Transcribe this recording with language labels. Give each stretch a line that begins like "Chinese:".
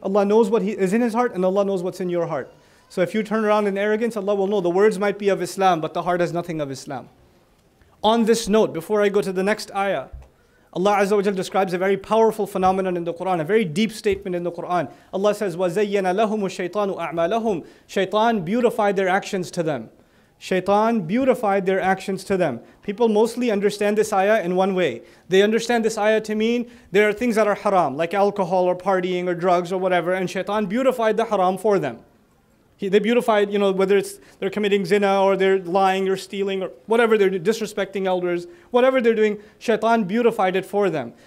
English: Allah knows what is in his heart, and Allah knows what's in your heart. So if you turn around in arrogance, Allah will know. The words might be of Islam, but the heart has nothing of Islam. On this note, before I go to the next ayah, Allah Azza wa Jal describes a very powerful phenomenon in the Quran, a very deep statement in the Quran. Allah says,
Arabic: وَزَيَّنَ لَهُمُ الشَّيْطَانُ أَعْمَالَهُمْ.
English: Shaitan beautified their actions to them. Shaitan beautified their actions to them. People mostly understand this ayah in one way. They understand this ayah to mean there are things that are haram, like alcohol or partying or drugs or whatever, and shaitan beautified the haram for them. They beautified, you know, whether it's they're committing zina or they're lying or stealing or whatever, they're disrespecting elders, whatever they're doing, shaitan beautified it for them.